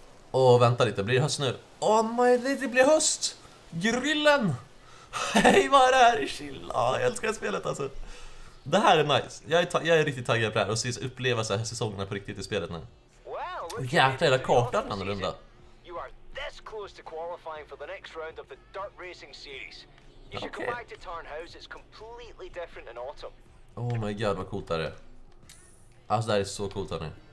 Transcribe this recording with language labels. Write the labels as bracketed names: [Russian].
[Swedish] Och vänta lite, blir det höst nu? [English] Oh my god, [Swedish] det blir höst. Grillen. Hej, vad är det här? Chilla, jag älskar spelet alltså. Det här är nice. Jag är riktigt taggad på det här och uppleva så här säsongerna på riktigt i spelet nu. Jäklar, hela kartan är annorlunda. [English] close to qualifying for the next round of the Dirt Racing Series. You should come back to Tarnhouse, it's completely different in autumn. Oh my god, [Swedish] vad coolt det är. Alltså det är så coolt här nu.